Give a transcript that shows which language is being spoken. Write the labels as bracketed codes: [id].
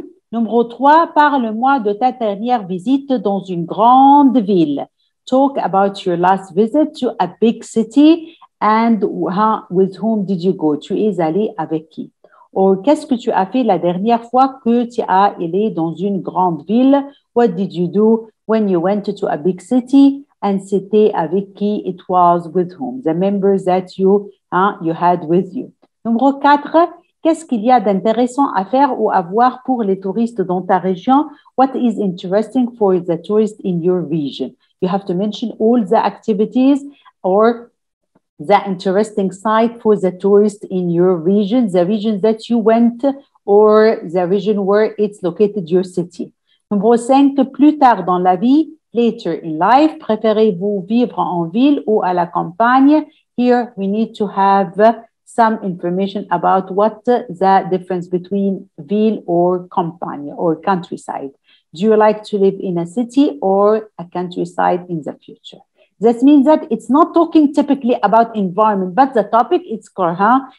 [fr] Numéro 3, parle-moi de ta dernière visite dans une grande ville. [en] Talk about your last visit to a big city and with whom did you go? [fr] Tu es allé avec qui? Or, qu'est-ce que tu as fait la dernière fois que tu as allé dans une grande ville? [en] What did you do when you went to a big city? And [fr] c'était avec qui? [en] It was with whom? The members that you had with you. [fr] Numéro 4, qu'est-ce qu'il y a d'intéressant à faire ou à voir pour les touristes dans ta région? [en] What is interesting for the tourists in your region? You have to mention all the activities or the interesting site for the tourist in your region, the region that you went or the region where it's located, your city. [fr] Numéro 5, plus tard dans la vie, [en] later in life, [fr] préférez-vous vivre en ville ou à la campagne? [en] Here we need to have some information about what the difference between ville or campagne or countryside. Do you like to live in a city or a countryside in the future? That means that it's not talking typically about environment, but the topic is current.